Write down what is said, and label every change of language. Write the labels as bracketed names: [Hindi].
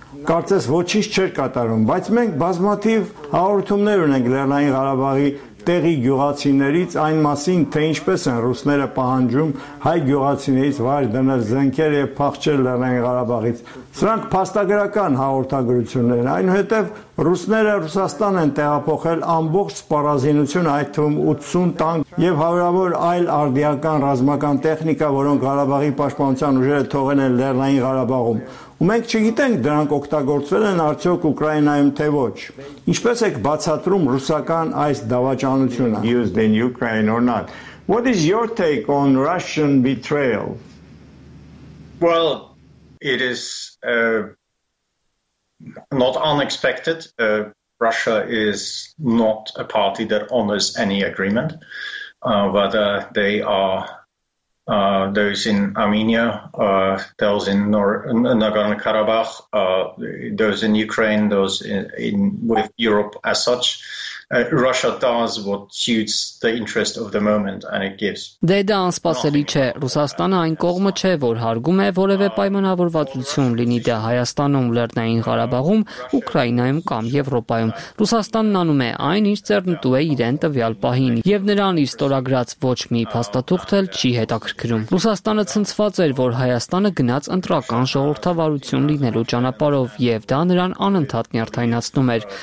[Armenian] կարծես ոչինչ չեր կատարում, բայց մենք բազմաթիվ հաղորդումներ ունենք Լեռնային Ղարաբաղի տեղի գյուղացիներից այն մասին, թե ինչպես են ռուսները պահանջում հայ գյուղացիներից վայր դնել զենքեր եւ փախչել Լեռնային Ղարաբաղից։ Սրանք փաստագրական հաղորդագրություններ են, այնուհետեւ ռուսները Ռուսաստան են տեղափոխել ամբողջ սպառազինություն, այդ թվում 80 տանկ եւ հարյուրավոր այլ արդիական ռազմական տեխնիկա, որոնք Ղարաբաղի պաշտպանության ուժերը թողել են Լեռնային Ղարաբաղում։ ու մենք չգիտենք դրանք օգտագործվել են արդյոք Ուկրաինայում թե ոչ։ Ինչպես եք բացատրում ռուսական այս դավաճանությունը? [English] Used in Ukraine or not? What is your take on Russian betrayal? Well, it is not unexpected. Russia is not a party that honors any agreement, whether they are those in Armenia, those in Nagorno-Karabakh, those in Ukraine, those in with Europe as such. Russia does what suits the interest of the moment and it gives. [Armenian] Դա անսպասելի չէ։ Ռուսաստանը այն կողմը չէ, որ հարգում է որևէ պայմանավորվածություն, լինի դա Հայաստանում, Լեռնային Ղարաբաղում, Ուկրաինայում կամ Եվրոպայում։ Ռուսաստանն անում է այն, ինչ ծերնտու է իրեն տվյալ պահին, եւ նրան իր ստորագրած ոչ մի փաստաթուղթ էլ չի հետաքրքրում։ Ռուսաստանը ցնցված էր, որ Հայաստանը գնաց ընտրական ժողովրդավարություն լինելու ճանապարով, եւ դա նրան անընդհատ նյարդայնացնում էր։